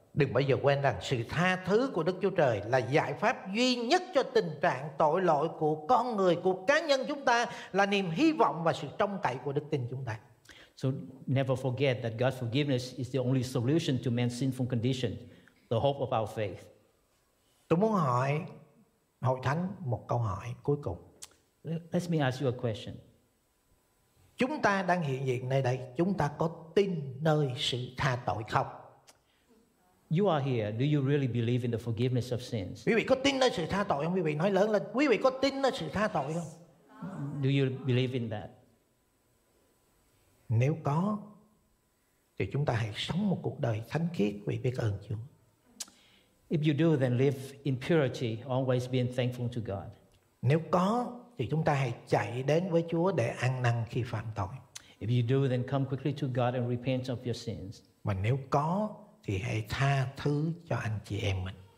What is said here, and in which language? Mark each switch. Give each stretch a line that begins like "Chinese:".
Vietnamese: Đừng bao giờ quên rằng sự tha thứ của Đức Chúa Trời là giải pháp duy nhất cho tình trạng tội lỗi của con người, của cá nhân chúng ta, là niềm hy vọng và sự trông cậy của đức tin chúng ta.
English: So never forget that God's forgiveness is the only solution to man's sinful condition, the hope of our faith.
Vietnamese: Tôi muốn hỏi hội thánh một câu hỏi cuối cùng.
English: Let me ask you a question.
Vietnamese: Chúng ta đang hiện diện nơi đây, chúng ta có tin nơi sự tha tội không?
English: You are here, do you really believe in the forgiveness of sins?
Vietnamese: Quý vị có tin nơi sự tha tội không? Quý vị nói lớn lên, quý vị có tin nơi sự tha tội không?
English: Do you believe in that?
Vietnamese: Nếu có, thì chúng ta hãy sống một cuộc đời thánh khiết vì biết ơn Chúa.
English: If you do, then live in purity, always being thankful to God.
Vietnamese: Nếu có, thì chúng ta hãy chạy đến với Chúa để ăn năn khi phạm tội.
English: If you do, then come quickly to God and repent of your sins.
Vietnamese: Và nếu có, thì hãy tha thứ cho anh chị em mình.